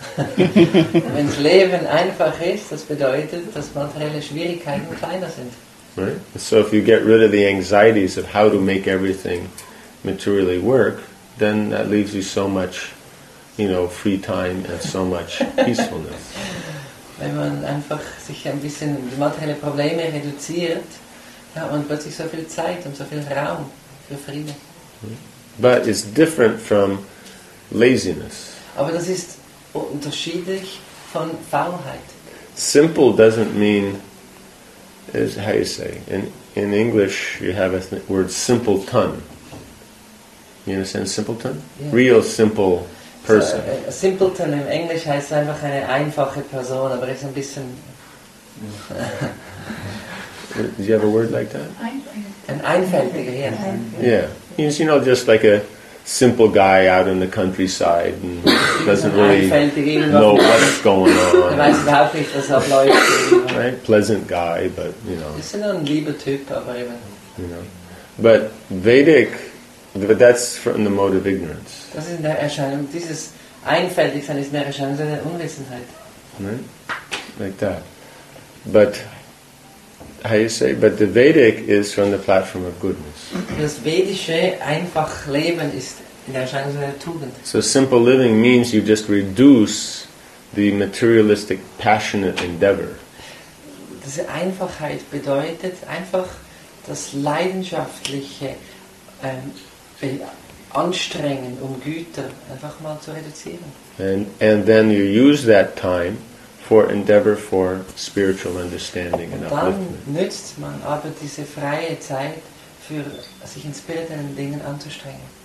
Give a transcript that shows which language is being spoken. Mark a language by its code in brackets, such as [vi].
[de] Wenn's Leben einfach ist, das bedeutet, dass materielle Schwierigkeiten kleiner sind. [en] Right? So if you get rid of the anxieties of how to make everything materially work, then that leaves you so much, you know, free time and so much peacefulness. [de] Wenn man einfach sich ein bisschen die materielle Probleme reduziert, dann hat man plötzlich so viel Zeit und so viel Raum für Frieden. [en] But it's different from laziness. [de] Aber das ist unterschiedlich von Faulheit. [en] Simple doesn't mean, is how you say in English, you have a word simpleton. You understand simpleton? Yeah. Real simple person. So, a simpleton in English [de] heißt einfach eine einfache Person, aber ist ein bisschen. [en] Do you have a word like that? [de] An einfältiger, yes. [en] Yeah. He's, you know, just like a simple guy out in the countryside and doesn't really know what's going on. Right? Pleasant guy, but, you know. [de] Ist ein lieber Typ, aber eben. [en] You know. But Vedic, but that's from the mode of ignorance. [de] Das ist in der Erscheinung. Dieses Einfältigsein ist in der Erscheinung seiner Unwissenheit. [en] Right? Like that. But how you say? But the Vedic is from the platform of goodness. [de] Das vedische einfach Leben ist in der Erscheinung seiner Tugend. [en] So simple living means you just reduce the materialistic passionate endeavor. [de] Diese Einfachheit bedeutet einfach das leidenschaftliche Anstrengen um Güter einfach mal zu reduzieren. [en] And then you use that time for endeavor for spiritual understanding and upliftment. [de] Dann nützt man aber diese freie Zeit für sich in spirituellen Dingen anzustrengen.